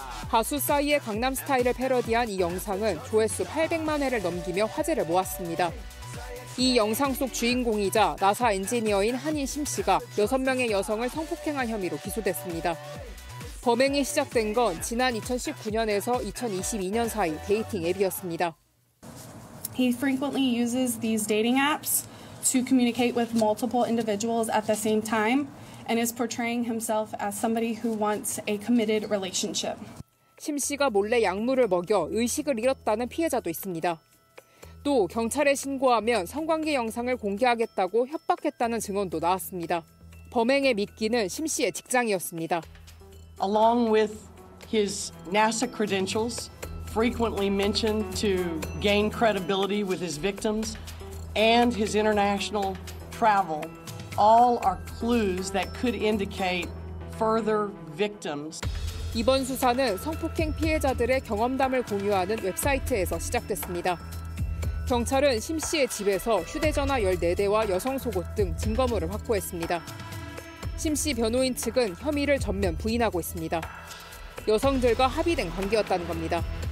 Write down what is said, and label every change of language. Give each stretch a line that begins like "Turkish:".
Korean: 가수 싸이의 강남 스타일을 패러디한 이 영상은 조회수 800만 회를 넘기며 화제를 모았습니다. 이 영상 속 주인공이자 나사 엔지니어인 한인 심 씨가 6명의 여성을 성폭행한 혐의로 기소됐습니다. 범행이 시작된 건 지난 2019년에서 2022년 사이 데이팅 앱이었습니다.
English: He frequently uses these dating apps to communicate with multiple individuals at the same time and is portraying himself as somebody who wants a committed relationship.
Korean: 심 씨가 몰래 약물을 먹여 의식을 잃었다는 피해자도 있습니다. 또 경찰에 신고하면 성관계 영상을 공개하겠다고 협박했다는 증언도 나왔습니다. 범행의 미끼는 심 씨의 직장이었습니다.
English: Along with his NASA credentials, frequently mentioned to gain credibility with his victims, and his international travel, all are clues that could indicate further victims.
Korean: 이번 수사는 성폭행 피해자들의 경험담을 공유하는 웹사이트에서 시작됐습니다. 경찰은 심 씨의 집에서 휴대전화 14대와 여성 속옷 등 증거물을 확보했습니다. 심 씨 변호인 측은 혐의를 전면 부인하고 있습니다. 여성들과 합의된 관계였다는 겁니다.